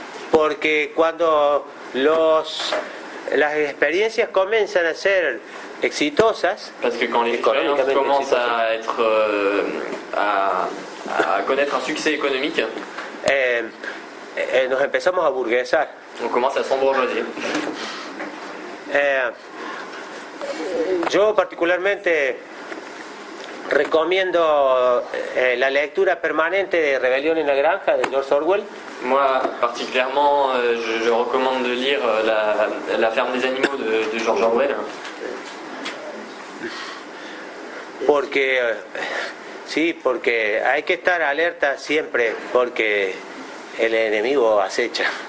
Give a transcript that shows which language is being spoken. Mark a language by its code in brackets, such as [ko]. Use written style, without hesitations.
[es] Porque cuando los las experiencias comienzan a ser exitosas, [fr] parce que quand les expériences commencent à être à connaître un succès économique, [es] nos empezamos a burguesar. [fr] On commence à s'embourgeoiser. [es] Yo particularmente recomiendo la lectura permanente de Rebelión en la Granja de George Orwell. [fr] Moi particulièrement je recommande de lire la Ferme des animaux de George Orwell. [es] Porque sí, porque hay que estar alerta siempre porque el enemigo acecha.